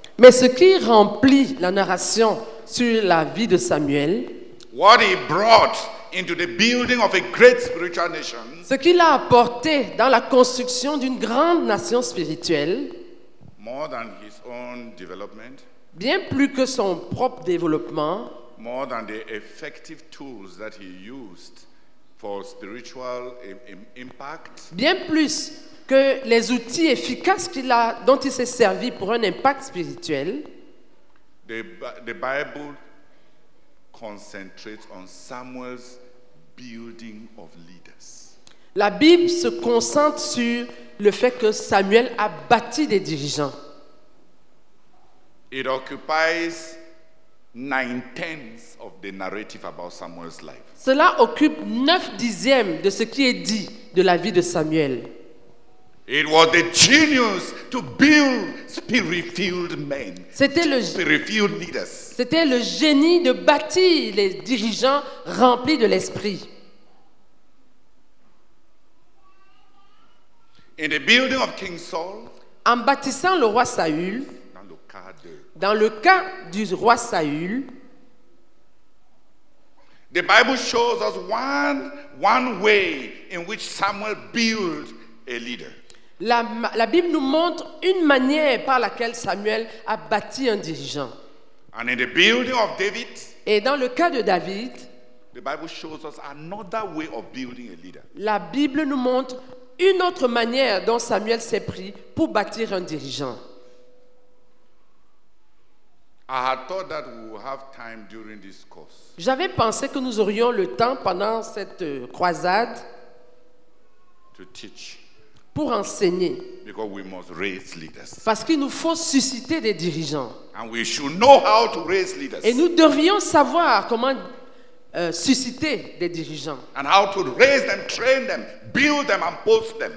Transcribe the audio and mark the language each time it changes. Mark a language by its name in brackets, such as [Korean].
[French] Mais ce qui remplit la narration sur la vie de Samuel? [English] What he brought into the building of a great spiritual nation? [French] Ce qu'il a apporté dans la construction d'une grande nation spirituelle? [English] More than his own development. [French] Bien plus que son propre développement. [English] More than the effective tools that he used for spiritual impact. [French] Bien plus que les outils efficaces qu'il a, dont il s'est servi pour un impact spirituel. [English] The Bible concentrates on Samuel's building of leaders. [French] La Bible se concentre sur le fait que Samuel a bâti des dirigeants. [English] It occupies 9/10 of the narrative about Samuel's life. [French] Cela occupe 9/10 de ce qui est dit de la vie de Samuel. [English] It was the genius to build spirit-filled men. Spirit-filled leaders. [French] C'était le génie de bâtir les dirigeants remplis de l'esprit. [English] In the building of King Saul, [French] en bâtissant le roi Saül, dans le cas du roi Saül, [English] the Bible shows us one way in which Samuel built a leader. [French] La Bible nous montre une manière par laquelle Samuel a bâti un dirigeant. [English] And in the building of David, [French] et dans le cas de David, [English] the Bible shows us another way of building a leader. [French] La Bible nous montre une autre manière dont Samuel s'est pris pour bâtir un dirigeant. [English] I had thought that we would have time during this course. [French] J'avais pensé que nous aurions le temps pendant cette croisade [English] to teach. [French] Pour enseigner. [English] Because we must raise leaders. [French] Parce qu'il nous faut susciter des dirigeants. [English] And we should know how to raise leaders. [French] Et nous devrions savoir comment susciter des dirigeants. [English] And how to raise them, train them, build them and post them.